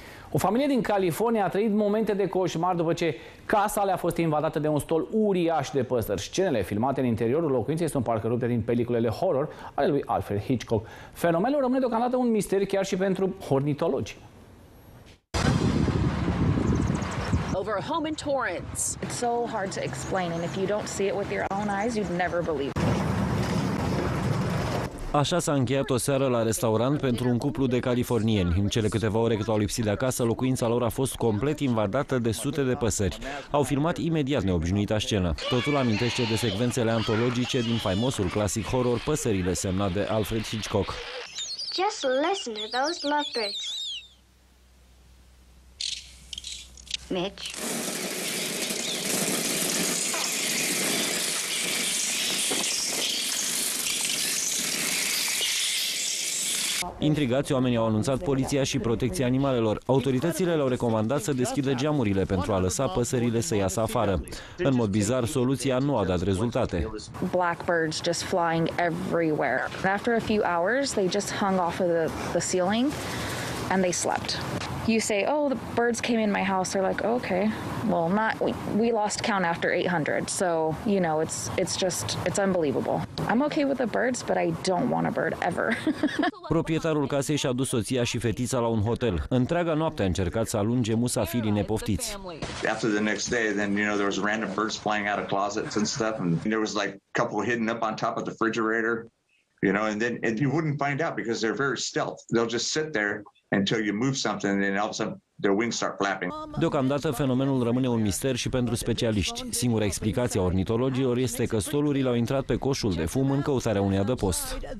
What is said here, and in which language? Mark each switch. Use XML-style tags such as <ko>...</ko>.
<ro>O familie din California a trăit momente de coșmar după ce casa le-a fost invadată de un stol uriaș de păsări. Scenele filmate în interiorul locuinței sunt parcă rupte din peliculele horror ale lui Alfred Hitchcock. Fenomenul rămâne deocamdată un mister chiar și pentru ornitologi.</ro> <en>over a home in Torrance. It's so hard to explain, and if you don't see it with your own eyes, you'd never believe it.</en> <ro>Așa s-a încheiat o seară la restaurant pentru un cuplu de californieni. În cele câteva ore cât au lipsit de acasă, locuința lor a fost complet invadată de sute de păsări. Au filmat imediat neobișnuita scenă. Totul amintește de secvențele antologice din faimosul clasic horror Păsările, semnat de Alfred Hitchcock.</ro> <en>Just listen to those lovebirds. Mitch.</en> <ro>Intrigați, oamenii au anunțat poliția și protecția animalelor. Autoritățile le-au recomandat să deschidă geamurile pentru a lăsa păsările să iasă afară. În mod bizar, soluția nu a dat rezultate.</ro> <en>Blackbirds just flying everywhere. After a few hours, they just hung off of the ceiling and they slept. You say, "Oh, the birds came in my house." They're like, "Okay." Well, not we lost count after 800. So, you know, it's unbelievable. I'm okay with the birds, but I don't want a bird ever.</en> <ro>Proprietarul casei și-a dus soția și fetița la un hotel. Întreaga noapte a încercat să alunge musafirii nepoftiți.</ro> <en>After the next day, then you know there was random birds flying out of closets and stuff, and there was like a couple hidden up on top of the refrigerator, you know, and then and you wouldn't find out because they're very stealth. They'll just sit there until you move something and all of a sudden their wings start flapping.</en> <ro>Deocamdată fenomenul rămâne un mister și pentru specialiști. Singura explicație a ornitologilor este că stolurile au intrat pe coșul de fum în căutarea unui adăpost.</ro>